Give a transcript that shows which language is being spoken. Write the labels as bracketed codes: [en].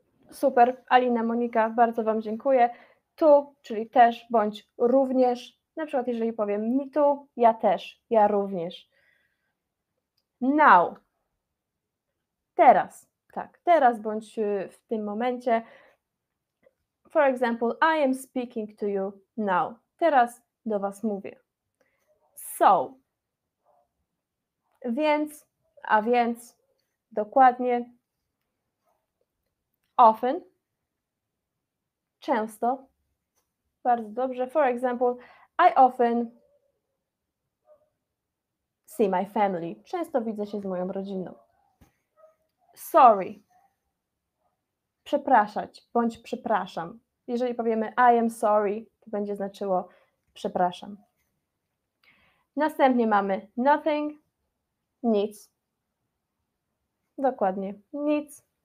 [pl] Super, Alina, Monika, bardzo Wam dziękuję. To, czyli też, bądź również. Na przykład, jeżeli powiem [en] me too, [pl] ja też, ja również. Now. Teraz, tak. Teraz, bądź w tym momencie. [en] For example, I am speaking to you now. [pl] Teraz do Was mówię. So. Więc, a więc, dokładnie. Often, często, bardzo dobrze. [en] For example, I often see my family. [pl] Często widzę się z moją rodziną. Sorry, przepraszać, bądź przepraszam. Jeżeli powiemy [en] I am sorry, [pl] to będzie znaczyło przepraszam. Następnie mamy nothing, nic. Dokładnie, nic.